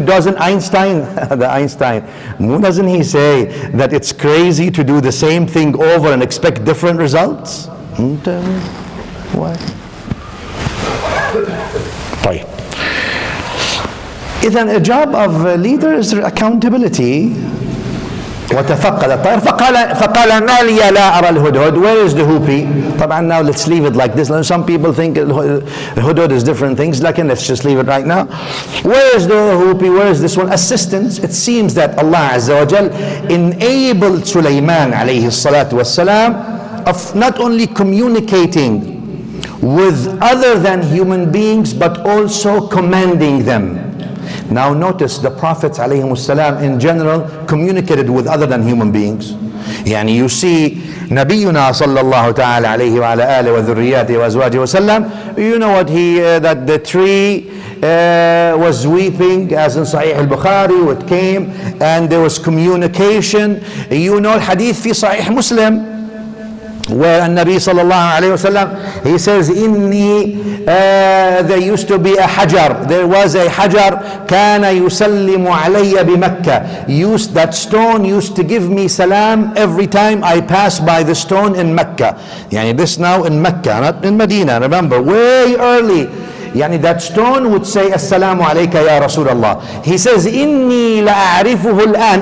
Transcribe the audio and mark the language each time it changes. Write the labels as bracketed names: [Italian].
[English] Doesn't Einstein, doesn't he say that it's crazy to do the same thing over and expect different results? Why? إذن a job of a leader is accountability. [Arabic] وتفقد الطير فقال ما لي لا أرى الهدهد. [English] Where is the hoopy? طبعا now let's leave it like this. Some people think الهدهد is different things. لكن let's just leave it right now. Where is the hoopy? Where is this one? Assistance. It seems that Allah عز وجل enabled سليمان عليه الصلاة والسلام of not only communicating with other than human beings but also commanding them. Now notice the Prophet ﷺ in general communicated with other than human beings. [Arabic] يعني [English] you see [Arabic] نبينا صلى الله تعالى عليه وعلى آله وذرياته وأزواجه وسلم. [English] You know what he that the tree was weeping as in صحيح البخاري. It came and there was communication. You know the hadith في صحيح مسلم where النبي صلى الله عليه وسلم he says إني there used to be a hajar. There was a hajar. [Arabic] كان يسلم علي بمكة. [English] Used that stone used to give me salam every time I pass by the stone in مكة. يعني this now in مكة, not in مدينة. Remember, way early. [Arabic] يعني [English] that stone would say [Arabic] السلام عليك يا رسول الله. [English] He says [Arabic] إني لأعرفه الآن.